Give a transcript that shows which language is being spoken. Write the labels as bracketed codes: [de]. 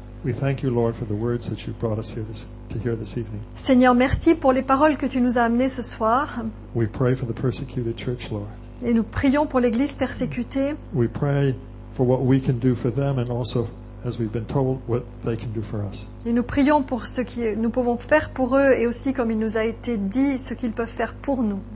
[en] We thank you, Lord, for the words that you brought us here to hear this evening. [fr] Seigneur, merci pour les paroles que tu nous as amenées ce soir. [en] We pray for the persecuted church, Lord. [fr] Et nous prions pour l'Église persécutée. [en] We pray for what we can do for them and also, as we've been told, what they can do for us. [fr] Et nous prions pour ce que nous pouvons faire pour eux et aussi, comme il nous a été dit, ce qu'ils peuvent faire pour nous.